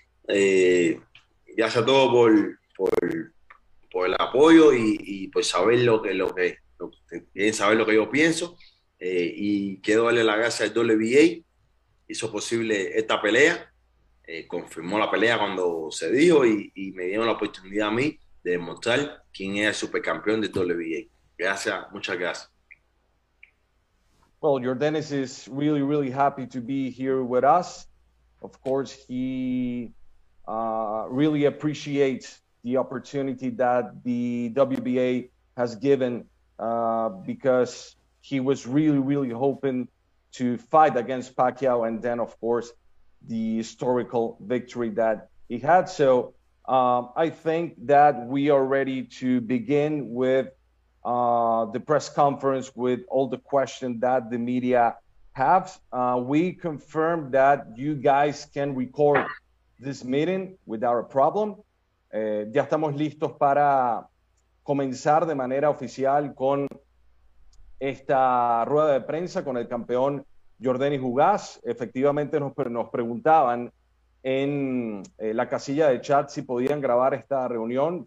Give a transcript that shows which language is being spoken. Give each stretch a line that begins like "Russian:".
Spanish: Gracias a todos por el apoyo y por saber lo que yo pienso. Y quiero darle la gracia al WBA, hizo posible esta pelea, confirmó la pelea cuando se dijo y me dieron la oportunidad a mí de demostrar quién es el supercampeón de WBA. Gracias, muchas gracias.
English: Well, Yordenis is really, really happy to be here with us. Of course, he really appreciates the opportunity that the WBA has given because he was really, really hoping to fight against Pacquiao and then, of course, the historical victory that he had. So I think that we are ready to begin with the press conference with all the questions that the media have. We confirmed that you guys can record this meeting without a problem.
Spanish: Ya estamos listos para comenzar de manera oficial con esta rueda de prensa con el campeón Yordenis Ugas. Efectivamente nos preguntaban en la casilla de chat si podían grabar esta reunión.